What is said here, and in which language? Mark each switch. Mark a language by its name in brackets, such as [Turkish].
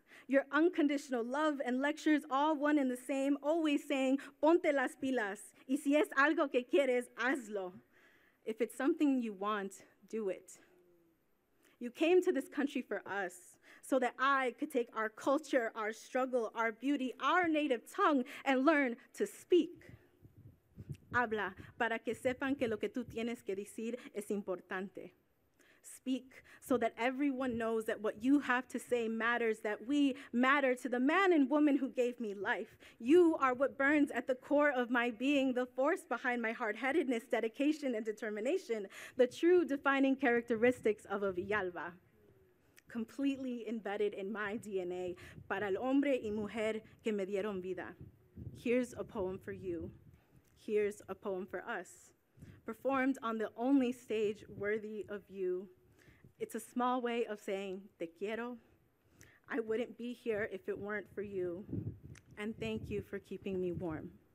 [English] Your unconditional love and lectures, all one and the same, always saying, [Spanish] ponte las pilas, y si es algo que quieres, hazlo. [English] If it's something you want, do it. You came to this country for us so that I could take our culture, our struggle, our beauty, our native tongue, and learn to speak. [Spanish] Habla para que sepan que lo que tú tienes que decir es importante. [English] Speak so that everyone knows that what you have to say matters, that we matter to the man and woman who gave me life. You are what burns at the core of my being, the force behind my hard-headedness, dedication, and determination, the true defining characteristics of a Villalba, completely embedded in my DNA. [Spanish] Para el hombre y mujer que me dieron vida. [English] Here's a poem for you. Here's a poem for us. Performed on the only stage worthy of you. It's a small way of saying, [Spanish] te quiero. [English] I wouldn't be here if it weren't for you. And thank you for keeping me warm.